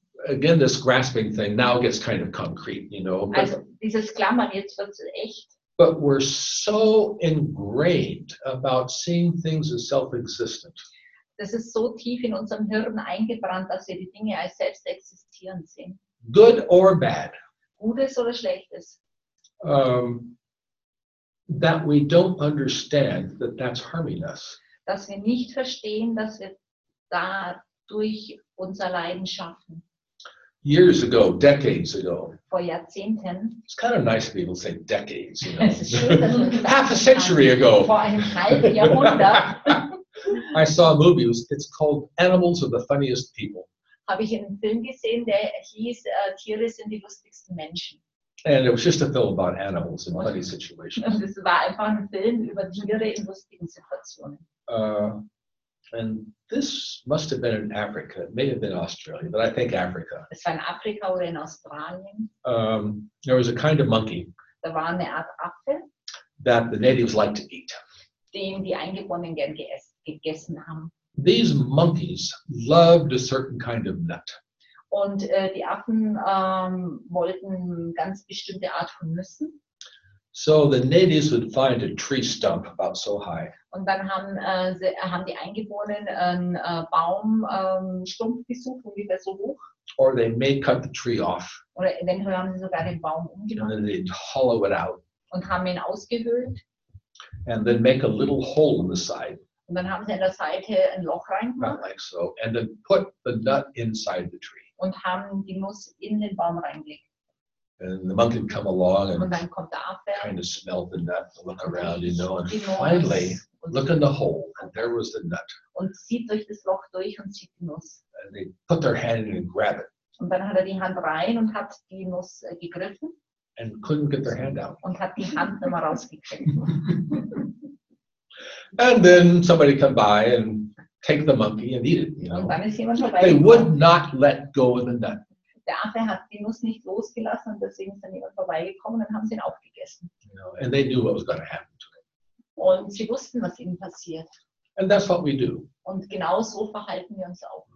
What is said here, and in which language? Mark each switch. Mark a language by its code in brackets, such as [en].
[en] This grasping thing now gets kind of concrete, you know. But, [de] also dieses Klammern, jetzt wird es echt. [en] But we're so ingrained about seeing things as self-existent. [de] Das ist so tief in unserem Hirn eingebrannt, dass wir die Dinge als selbst existierend sehen. [en] Good or bad. [de] Gutes oder Schlechtes. [en] That we don't understand that that's harming us. [de] Dass wir nicht verstehen, dass wir dadurch unser Leiden schaffen. [en] Years ago, decades ago. [de] Vor Jahrzehnten. [en] It's kind of nice people say decades, you know. Half a century ago. [de] Vor einem halben Jahrhundert. [en] I saw a movie, it's called Animals Are the Funniest People. [de] Habe ich einen Film gesehen, der hieß Tiere sind die lustigsten Menschen. [en] And it was just a film about animals in funny situations. [de] Und es war einfach ein Film über Tiere in lustigen Situationen. [en] And this must have been in Africa. It may have been Australia, but I think Africa. [de] Es war in Afrika oder in Australien. [en] There was a kind of monkey. [de] Da war eine Art Affe. [en] That the natives liked to eat. [de] Den die Eingeborenen gern gegessen haben. [en] These monkeys loved a certain kind of nut. [de] Und die Affen wollten ganz bestimmte Art von Nüssen. [en] So the natives would find a tree stump about so high. [de] Und dann haben die Eingeborenen einen Baumstumpf gesucht, ungefähr so hoch. [en] Or they may cut the tree off. [de] Oder eventuell haben sie sogar den Baum umgenommen. [en] And then they'd hollow it out. [de] Und haben ihn ausgehöhlt. [en] And then make a little hole in the side. [de] Und dann haben sie an der Seite ein Loch reingemacht. [en] Not like so. And then put the nut inside the tree. [de] Und haben die Nuss in den Baum reingelegt. [en] And the monkey would come along and [de] kommt der Affe, [en] kind of smell the nut, look around, you know, and finally look in the hole, and there was the nut. [de] Und sieht durch das Loch durch und sieht die Nuss. [en] And they put their hand in and grab it. [de] Und dann hat die Hand rein und hat die Nuss gegriffen. [en] And couldn't get their hand out. [de] Und hat die Hand nicht mehr rausgekriegt. [en] And then somebody come by and take the monkey and eat it, you know. [de] Und dann ist jemand vorbei. [en] They would not let go of the nut. [de] Der Affe hat die Nuss nicht losgelassen und deswegen ist dann jemand vorbeigekommen und dann haben sie ihn aufgegessen. [en] You know, and they knew what was going to happen to him. [de] Und sie wussten, was ihnen passiert. [en] And that's what we do. [de] Und genau so verhalten wir uns auch.